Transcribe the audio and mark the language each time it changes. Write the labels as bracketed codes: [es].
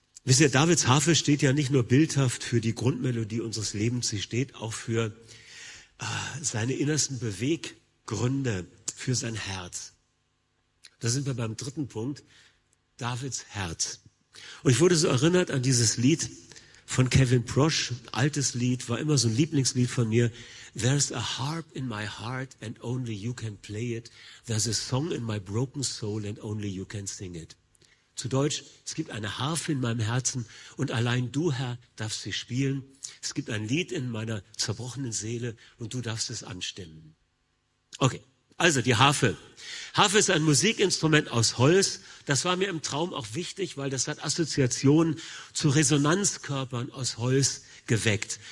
[de] Wisst ihr, Davids Harfe steht ja nicht nur bildhaft für die Grundmelodie unseres Lebens, sie steht auch für seine innersten Beweggründe, für sein Herz. Da sind wir beim dritten Punkt, Davids Herz. Und ich wurde so erinnert an dieses Lied von Kevin Prosch, altes Lied, war immer so ein Lieblingslied von mir. [en] There's a harp in my heart and only you can play it. There's a song in my broken soul and only you can sing it. [de] Zu Deutsch, es gibt eine Harfe in meinem Herzen und allein du, Herr, darfst sie spielen. Es gibt ein Lied in meiner zerbrochenen Seele und du darfst es anstimmen. Okay, also die Harfe. Harfe ist ein Musikinstrument aus Holz. Das war mir im Traum auch wichtig, weil das hat Assoziationen zu Resonanzkörpern aus Holz geweckt.